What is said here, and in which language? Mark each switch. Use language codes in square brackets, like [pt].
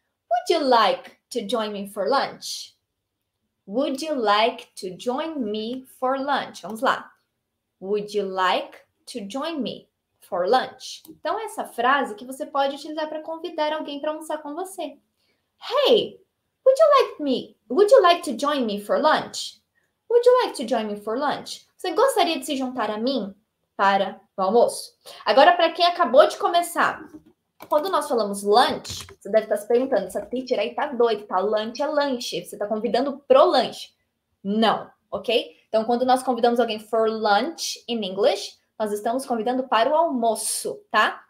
[en] Would you like to join me for lunch? Would you like to join me for lunch? [pt] Vamos lá. [en] Would you like to join me for lunch? [pt] Então, essa frase que você pode utilizar para convidar alguém para almoçar com você. [en] Hey, would you like to join me for lunch? Would you like to join me for lunch? [pt] Você gostaria de se juntar a mim para o almoço? Agora, para quem acabou de começar, quando nós falamos lunch, você deve estar se perguntando: essa teacher aí tá doida, tá? Lunch é lanche, você está convidando para o lunch. Não, ok? Então, quando nós convidamos alguém [en] for lunch in English, [pt] nós estamos convidando para o almoço, tá?